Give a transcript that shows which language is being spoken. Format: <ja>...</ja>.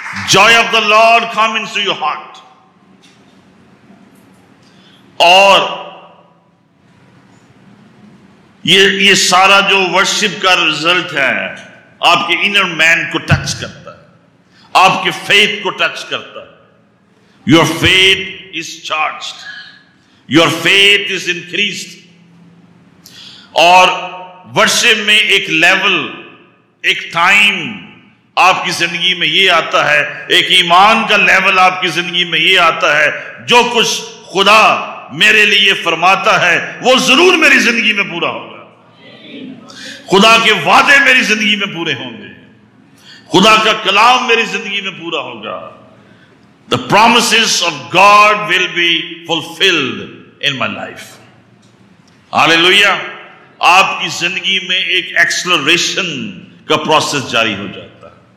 <en>Joy of the Lord come into your heart.</en> <ur>اور یہ سارا جو ورشپ کا رزلٹ ہے آپ کے انر مین کو ٹچ کرتا ہے, آپ کے فیتھ کو ٹچ کرتا ہے.</ur> <en>Your faith is charged, your faith is increased.</en> <ur>اور ورشپ میں ایک لیول, ایک ٹائم آپ کی زندگی میں یہ آتا ہے, ایک ایمان کا لیول آپ کی زندگی میں یہ آتا ہے, جو کچھ خدا میرے لیے فرماتا ہے وہ ضرور میری زندگی میں پورا ہوگا, خدا کے وعدے میری زندگی میں پورے ہوں گے, خدا کا کلام میری زندگی میں پورا ہوگا.</ur> <en>The promises of God will be fulfilled in my life. Hallelujah.</en> <ur>آپ کی زندگی میں ایک ایکسلریشن کا پروسیس جاری ہو جاتا ہے.</ur>